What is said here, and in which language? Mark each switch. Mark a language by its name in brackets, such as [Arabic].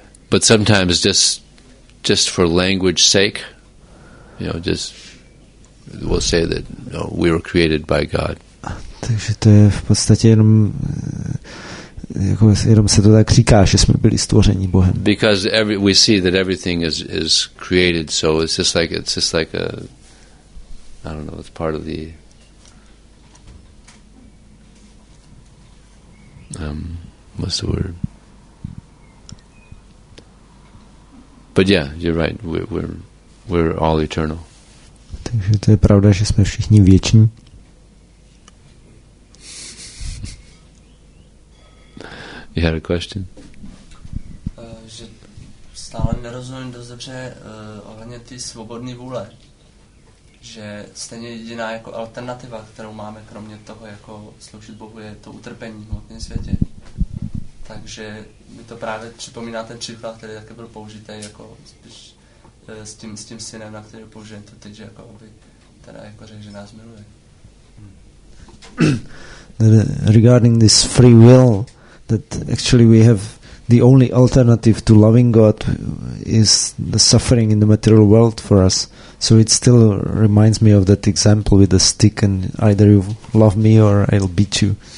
[English] But sometimes just for language sake, you know, just we'll say that, you know, we were created by God. [Czech] Takže to je v podstatě jenom jako jenom se to tak říká, že jsme byli stvořeni Bohem. [English] Because we see that everything is created, so it's just like a, I don't know, it's part of the what's the word? But yeah, you're right. We're all eternal. [Czech] Takže to je pravda, že jsme všichni věční. [English] You had a question? [Czech] Že stále nerozumím dost dobře ohledně ty svobodné vůle. Že stejně jediná jako alternativa, kterou máme kromě toho jako sloužit Bohu, je to utrpení v hmotném světě. Takže mi to právě připomíná ten příklad, který také byl použitý jako spíš s tím synem, na který použijem to teď, že jako aby teda jako řekl, že nás miluje. [English] Regarding this free will, that actually we have the only alternative to loving God is the suffering in the material world for us. So it still reminds me of that example with the stick and either you love me or I'll beat you.